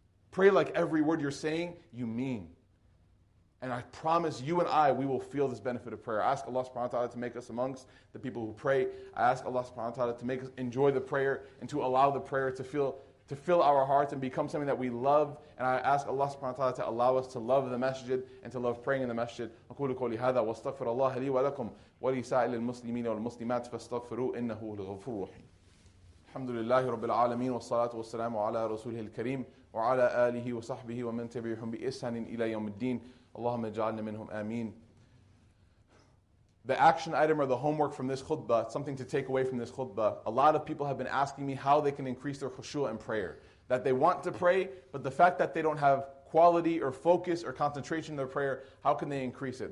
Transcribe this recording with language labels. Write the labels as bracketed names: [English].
[English] Pray like every word you're saying, you mean. And I promise you and I, we will feel this benefit of prayer. I ask Allah subhanahu wa ta'ala to make us amongst the people who pray. I ask Allah subhanahu wa ta'ala to make us enjoy the prayer and to allow the prayer to fill our hearts and become something that we love. And I ask Allah subhanahu wa ta'ala to allow us to love the masjid and to love praying in the masjid. [Arabic] أَقُولُ قَوْلِ هَذَا وَاسْتَغْفِرَ اللَّهَ لِي وَلَكُمْ وَلِسَائِلِ الْمُسْلِمِينَ وَالْمُسْلِمَاتِ فَاسْتَغْفِرُوا إِنَّهُ الْغَفُورُ الرَّحِيمُ الحمد لله رب العالمين والصلاة والسلام على رسوله الكريم وعلى آله وصحبه ومن تبعهم بإحسان إلى يوم الدين اللهم اجعلنا منهم آمين. [English] The action item or the homework from this khutbah, something to take away from this khutbah, a lot of people have been asking me how they can increase their khushu' in prayer. That they want to pray, but the fact that they don't have quality or focus or concentration in their prayer, how can they increase it?